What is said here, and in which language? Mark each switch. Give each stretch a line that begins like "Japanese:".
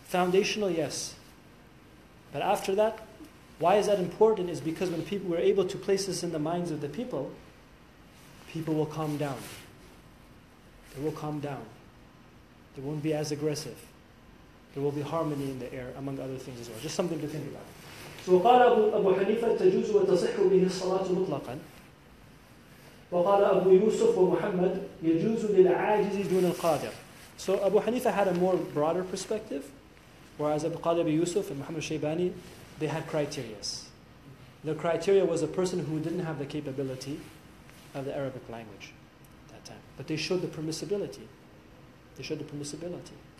English: Foundational, yes. But after that, why is that important? Is because when people were able to place this in the minds of the people, people will calm down. They will calm down. They won't be as aggressive. There will be harmony in the air, among other things as well. Just something to think about.
Arabic: وقال أبو حنيفة تجوز وتصح به الصلاة مطلقا وقال أبو يوسف ومحمد يجوز للعاجز دون القادر.
English: So Abu Hanifa had a more broader perspective, whereas Abu Qadi Abu Yusuf and Muhammad Shaybani, they had criterias. The criteria was a person who didn't have the capability of the Arabic language at that time. But they showed the permissibility. They showed the permissibility.